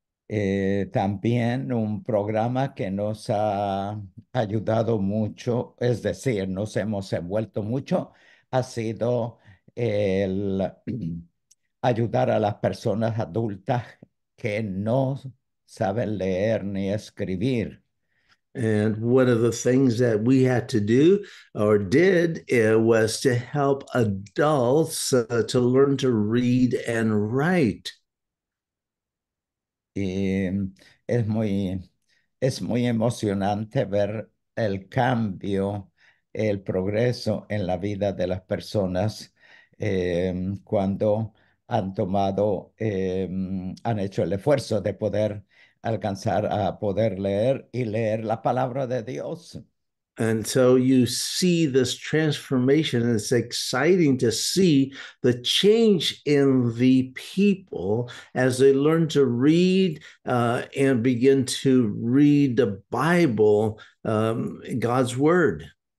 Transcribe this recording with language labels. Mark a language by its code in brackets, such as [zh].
[es] También un programa que nos ha ayudado mucho, es decir, nos hemos envuelto mucho, ha sido el ayudar a las personas adultas que no saben leer ni escribir. [en] And one of the things that we had to do or did was to help adults to learn to read and write. [es] Es muy emocionante ver el cambio, el progreso en la vida de las personas cuando han tomado, han hecho el esfuerzo de poder alcanzar a poder leer y leer la palabra de Dios. [en] And so you see this transformation, and it's exciting to see the change in the people as they learn to read and begin to read the Bible, God's Word.